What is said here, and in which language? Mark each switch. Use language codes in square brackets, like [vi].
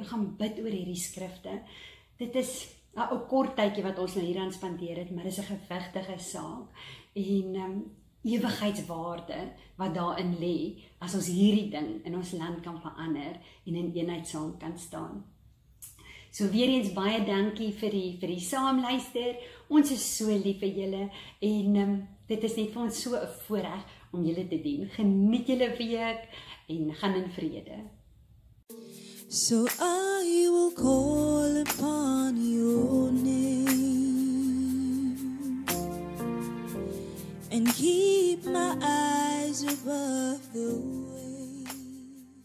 [af] Ek gaan bid oor hierdie skrifte. Dit is 'n kort tydjie wat ons nou hier aan spandeer het, maar dit is 'n gewigtige saak en ewigheidswaarde wat daarin lê as ons hierdie ding in ons land kan verander en in eenheid saam kan staan. So weer eens baie dankie vir die saamluister. Ons is so lief vir julle en dit is net vir ons so 'n voorreg om julle te dien. Geniet julle week en gaan in vrede. [en] So I will call upon your name and keep my eyes above the waves.